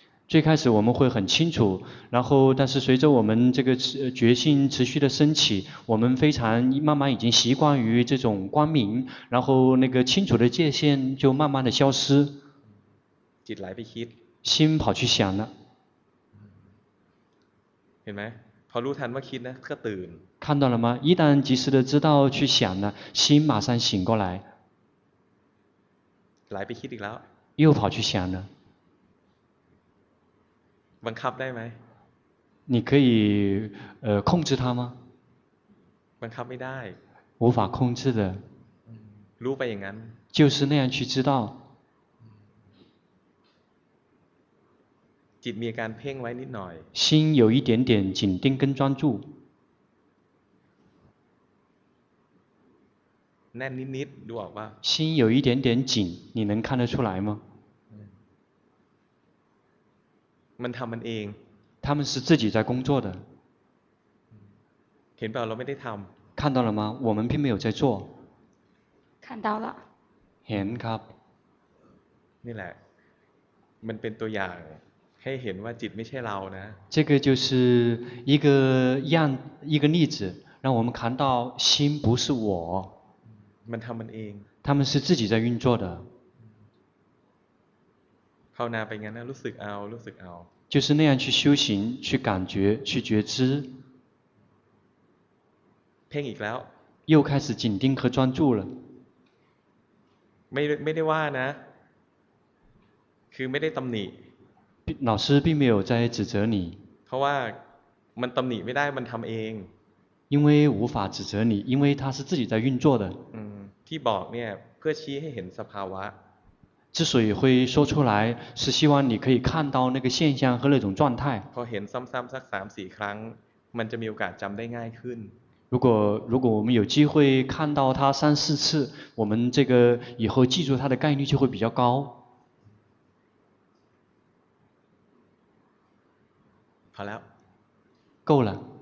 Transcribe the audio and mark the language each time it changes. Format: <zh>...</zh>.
<zh>最开始我们会很清楚然后但是随着我们这个决心持续的升起我们非常慢慢已经习惯于这种光明然后那个清楚的界限就慢慢的消失</zh> <th>จิตไหลไปคิด</th> <zh>心跑去想了</zh> <th>เห็นไหมพอรู้ทันว่าคิดนะก็ตื่น</th> <zh>看到了吗一旦及时的知道去想了心马上醒过来</zh> <th>ไหลไปคิดอีกแล้ว</th> <zh>又跑去想了</zh> <th>บังคับได้ไหม</th> <zh>你可以控制它吗</zh> <th>บังคับไม่ได้</th> <zh>无法控制的</zh> <th>รู้ไปอย่างนั้น</th> <zh>就是那样去知道</zh> <th>จิตมีการเพ่งไว้นิดหน่อย</th> <zh>心有一点点紧盯跟专注</zh> <th>แน่นนิดๆดูออกป่ะ</th> <zh>心有一点点紧你能看得出来吗</zh> <th>มันทำมันเอง</th> <zh>他们是自己在工作的</zh> <th>เห็นเปล่าเราไม่ได้ทำ</th> <zh>看到了吗我们并没有在做看到了</zh> <th>เห็นครับ นี่แหละมันเป็นตัวอย่างให้เห็นว่าจิตไม่ใช่เรานะ</th> <zh>这个就是一个样一个例子让我们看到心不是我</zh> <th>มันทำมันเอง</th> <zh>他们是自己在运作的</zh> <th>ภาวนาไปงั้นนะรู้สึกเอารู้สึกเอา</th> <zh>就是那样去修行去感觉去觉知</zh> <th>เพ่งอีกแล้ว</th> <zh>又开始紧盯和专注了</zh> <th>ไม่ได้ว่านะคือไม่ได้ตำหนิ</th> <zh>老师并没有在指责你</zh> <th>เพราะว่ามันตำหนิไม่ได้มันทำเอง</th> <zh>因为无法指责你因为它是自己在运作的</zh> <th>ที่บอกเนี่ยเพื่อชี้ให้เห็นสภาวะ</th> <zh>之所以会说出来是希望你可以看到那个现象和那种状态</zh> <th>พอเห็นซ้ำๆสัก 3-4 ครั้งมันจะมีโอกาสจำได้ง่ายขึ้น</th> <zh>如果我们有机会看到它 3-4 次我们这个以后记住它的概率就会比较高好了够了</zh>